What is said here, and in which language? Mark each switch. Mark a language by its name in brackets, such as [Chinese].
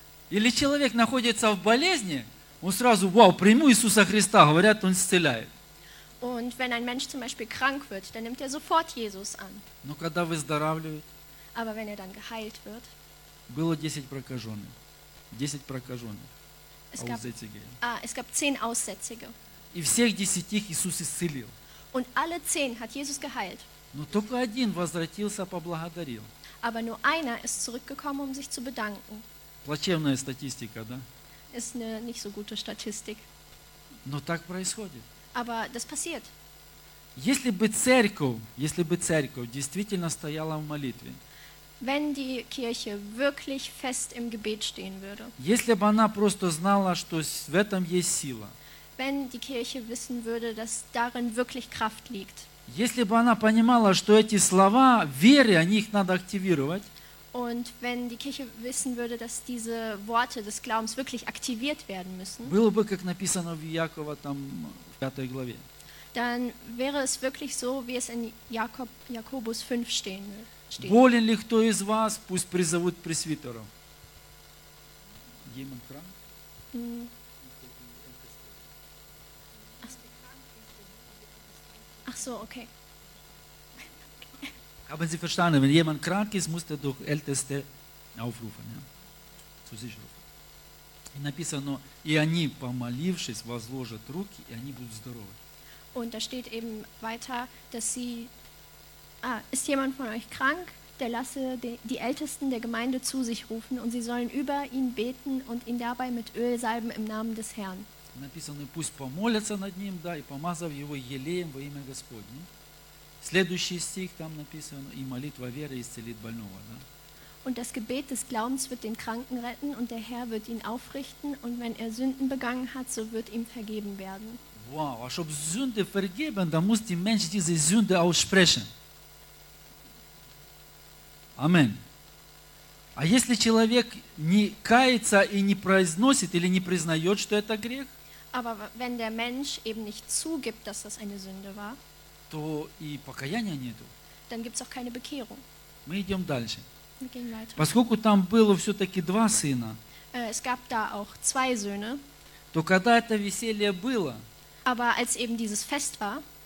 [Russian] Или человек находится в болезни, он сразу: «Вау, приму Иисуса Христа», говорят, он исцеляет. [German] Und wenn ein Mensch zum Beispiel krank wird, dann nimmt er sofort Jesus an. [Russian] Но когда выздоравливает, [German] aber wenn er dann geheilt wird, [Russian] было 10 прокаженных. 10 прокаженных. [German] Es gab 10 Aussätzige. [Russian] И всех 10 Иисус исцелил. [German] Und alle 10 hat Jesus geheilt. [Russian] Но только один возвратился, поблагодарил. [German] Aber nur einer ist zurückgekommen, um sich zu bedanken. [Russian] Плачевная статистика, да? [German] Ist eine nicht so gute Statistik. [Russian] Но так происходит. [German] Aber das passiert. [Russian] Если бы церковь действительно стояла в молитве. [German] Wenn die Kirche wirklich fest im Gebet stehen würde. [Russian] Если бы она просто знала, что в этом есть сила. [German] Wenn die Kirche wissen würde, dass darin wirklich Kraft liegt. [Russian] Если бы она понимала, что эти слова веры, они их надо активировать. [German] Und wenn die Kirche wissen würde, dass diese Worte des Glaubens wirklich aktiviert werden müssen, [Russian] было бы, как написано в Якова, там, в пятой главе. [German] Dann wäre es wirklich so, wie es in Jakobus 5 stehen würde. [Russian] Болен ли кто из вас, пусть призовут пресвитера. [German] Jemand krank? Ach so, okay. Haben Sie verstanden? Wenn jemand krank ist, muss er durch Älteste aufrufen. Ja? Zu sich rufen. [Russian] Und написано, и они, помолившись, возложат руки, и они будут здоровы. [German] Und da steht eben weiter, dass sie, ist jemand von euch krank? Der lasse die Ältesten der Gemeinde zu sich rufen und sie sollen über ihn beten und ihn dabei mit Öl salben im Namen des Herrn. [Russian] Написано, пусть помолятся над ним, да, и помазав его елеем во имя Господне. Следующий стих там написано, и молитва веры исцелит больного, да? [German] Und das Gebet des Glaubens wird den Kranken retten und der Herr wird ihn aufrichten und wenn er Sünden begangen hat, so wird ihm vergeben werden. Wow, [Russian] а чтоб [German] Sünde vergeben, dann muss die Mensch diese Sünde aussprechen. Amen. [Russian] А если человек не кается и не произносит или не признает, что это грех, [German] aber wenn der Mensch eben nicht zugibt, dass das eine Sünde war, [Russian] то и покаяния нету. [German] Dann gibt's auch keine Bekehrung. [Russian] Мы идем дальше. [German] Wir gehen weiter. [Russian] Поскольку там было все-таки два сына, [German] es gab da auch zwei Söhne, [Russian] то когда это веселье было, [German] aber als eben dieses Fest war,